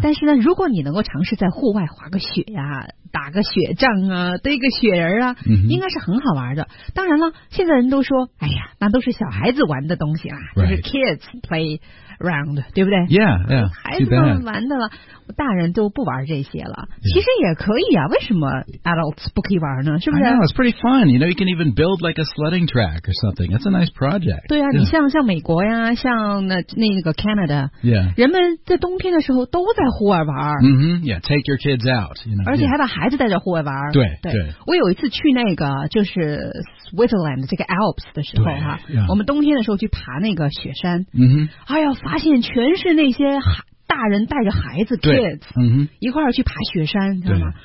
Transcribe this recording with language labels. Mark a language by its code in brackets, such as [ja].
[zh] 但是呢，如果你能够尝试在户外滑个雪呀、啊、打个雪仗啊、堆个雪人啊， [en] mm-hmm. [zh] 应该是很好玩的。当然了，现在人都说，哎呀，那都是小孩子玩的东西啦、 [en] right. [zh] 就是 kids play around，对不对 [en] ？Yeah， [zh] 孩子们玩的了。大人都不玩这些了，其实也可以啊。为什么 adults 不可以玩呢？是不是 [en] ？I know it's pretty fun. You know, you can even build like a sledding track or something. That's a nice project. [zh] 对啊， yeah. 你像美国呀，像那个 Canada， [en] yeah， [zh] 人们在冬天的时候都在户外玩。 [en] Yeah, take your kids out. You know, [zh] 而且还把孩子带着户外玩。对对, 对。我有一次去那个就是 Switzerland 这个 Alps 的时候哈、 [en] yeah. [zh] 我们冬天的时候去爬那个雪山。哎呀，发现全是那些大人带着孩子 kids、一块儿去爬雪山，知道吗？